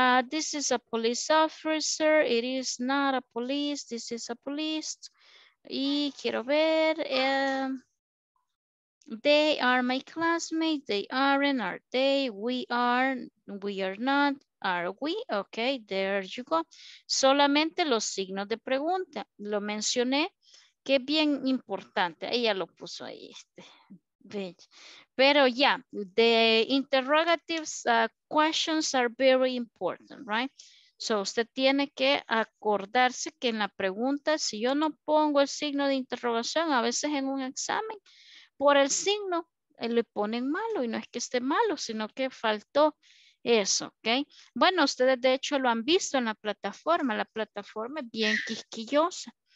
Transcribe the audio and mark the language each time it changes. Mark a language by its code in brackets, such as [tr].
[en] This is a police officer, it is not a police, this is a police, [es] y quiero ver, [en] they are my classmates, they aren't, are they, we are not, are we, okay, there you go. [es] Solamente los signos de pregunta, lo mencioné, que bien importante, ella lo puso ahí, este. Pero ya, [en] yeah, the interrogatives questions are very important, right? [es] So usted tiene que acordarse que en la pregunta, si yo no pongo el signo de interrogación, a veces en un examen, por el signo le ponen malo y no es que esté malo, sino que faltó eso, ¿ok? Bueno, ustedes de hecho lo han visto en la plataforma es bien quisquillosa.